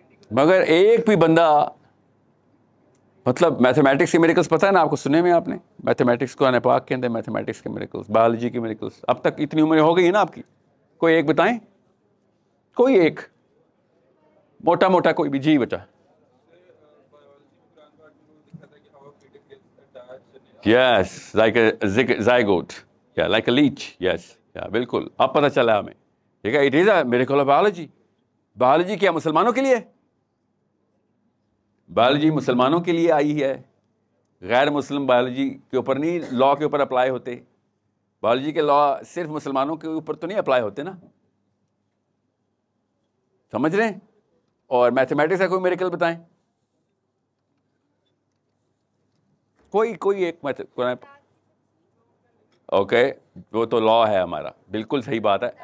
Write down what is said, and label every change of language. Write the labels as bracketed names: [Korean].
[Urdu] مگر ایک بھی بندہ, مطلب میتھمیٹکس کے میریکلز پتہ ہے نا آپ کو, سنے میں آپ نے میتھمیٹکس, قرآن پاک کے اندر میتھمیٹکس کے میریکلز, بایولوجی کے میریکلز, اب تک اتنی عمر ہو گئی ہے نا آپ کی, کوئی ایک بتائیں, کوئی ایک موٹا موٹا کوئی بھی. جی بچا, [English] yes, like a leech, yes, [Urdu] یا بالکل, اب پتا چلا ہمیں, ٹھیک ہے, [English] It is a miracle of biology. [Urdu] Biology کیا مسلمانوں کے لیے؟ بایولوجی مسلمانوں کے لیے آئی ہے, غیر مسلم بایولوجی کے اوپر نہیں, لا کے اوپر اپلائی ہوتے. بایولوجی کے لا صرف مسلمانوں کے اوپر تو نہیں اپلائی ہوتے نا, سمجھ رہے ہیں؟ اور میتھمیٹکس کا کوئی میریکل بتائیں, کوئی ایک اوکے, وہ تو لا ہے ہمارا, بالکل صحیح بات ہے.